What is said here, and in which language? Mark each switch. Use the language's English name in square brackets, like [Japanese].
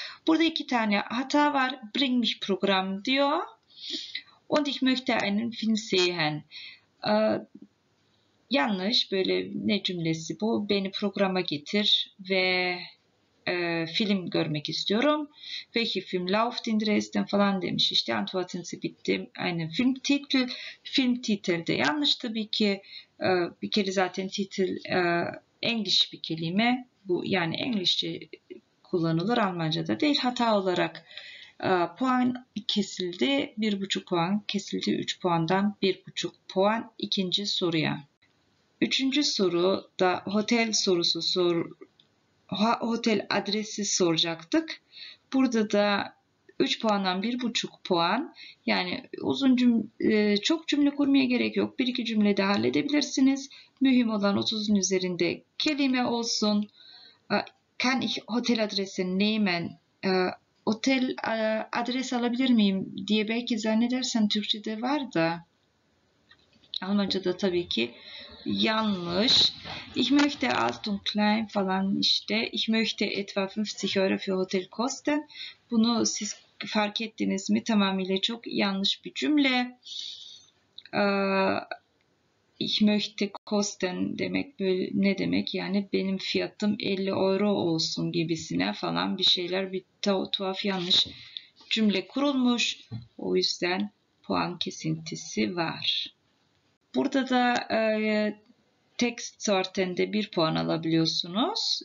[Turkish] Burada iki tane hata var. [German] Bringmich Programm [Turkish] diyor. [German] Und ich möchte einen Film sehen. [Turkish] Yanlış, böyle ne cümlesi bu? Beni programa getir ve film görmek istiyorum. [German] Welche Film läuft in Dresden [Turkish] falan demiş. İşte Antwortense bitti. Aynen film titel de yanlış tabii ki. Bir kere zaten titel English bir kelime. Bu yani İngilizce kullanılır, Almanca'da değil. Hata olarak puan kesildi. 1,5 puan kesildi. 3 puandan 1,5 puan ikinci soruya. Üçüncü soru da otel sorusu otel adresi soracaktık. Burada da 3 puandan 1,5 puan. Yani uzun çok cümle kurmaya gerek yok. 1-2 cümlede halledebilirsiniz. Mühim olan 30'un üzerinde kelime olsun. [German] Kann ich [Turkish] otel adresi [German] nehmen? [Turkish] Otel adres alabilir miyim diye belki zannedersen Türkçe'de var da. Almanca'da tabii ki yanlış. [German] Ich möchte alt und klein [Turkish] falan işte. [German] Ich möchte etwa 50 € für Hotel kosten. [Turkish] Bunu siz fark ettiniz mi? Tamamıyla çok yanlış bir cümle. [German] Ich möchte kosten [Turkish] demek böyle, ne demek? Yani benim fiyatım 50 € olsun gibisine falan bir şeyler, bir tuhaf yanlış cümle kurulmuş. O yüzden puan kesintisi var. Burada da text sorten'de 1 puan alabiliyorsunuz.